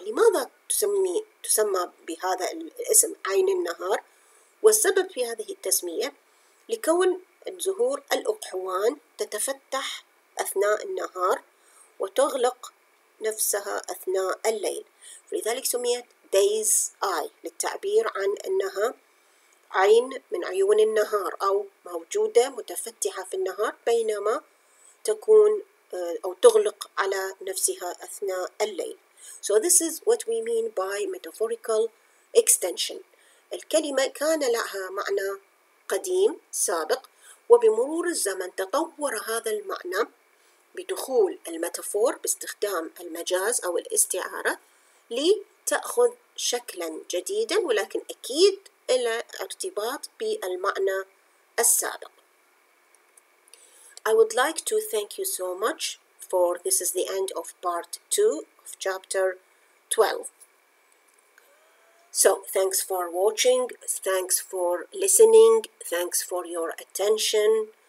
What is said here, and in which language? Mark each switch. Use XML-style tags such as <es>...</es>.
<ar>لماذا تسمى بهذا الاسم عين النهار؟ والسبب في هذه التسمية لكون الزهور الأقحوان تتفتح أثناء النهار وتغلق نفسها أثناء الليل، لذلك سميت day's eye للتعبير عن أنها عين من عيون النهار أو موجودة متفتحة في النهار بينما تكون أو تغلق على نفسها أثناء الليل.</ar> <en>So this is what we mean by metaphorical extension.</en> <ar>الكلمة كان لها معنى قديم سابق وبمرور الزمن تطور هذا المعنى بدخول الميتافور باستخدام المجاز أو الاستعارة لتأخذ شكلا جديدا ولكن أكيد إلى ارتباط بالمعنى السابق.</ar> <en>I would like to thank you so much for this is the end of part 2 of chapter 12. So thanks for watching, thanks for listening, thanks for your attention.</en>